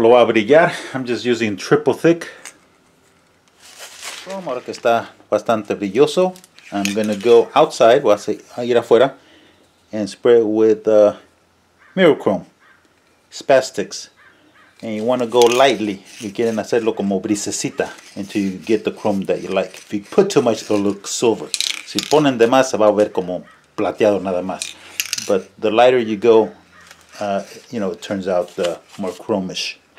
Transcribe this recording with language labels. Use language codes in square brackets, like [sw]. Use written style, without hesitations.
[es] Lo voy a brillar. [en] I'm just using triple thick. [es] Como ahora que está bastante brilloso, [en] I'm gonna go outside. [es] Voy a ir afuera [en] and spray it with mirror chrome, spastics. And you want to go lightly. You [es] quieren hacerlo como brisecita [en] until you get the chrome that you like. If you put too much, it'll look silver. [es] Si ponen de más, se va a ver como plateado nada más. [en] But the lighter you go, it turns out more chrome-ish.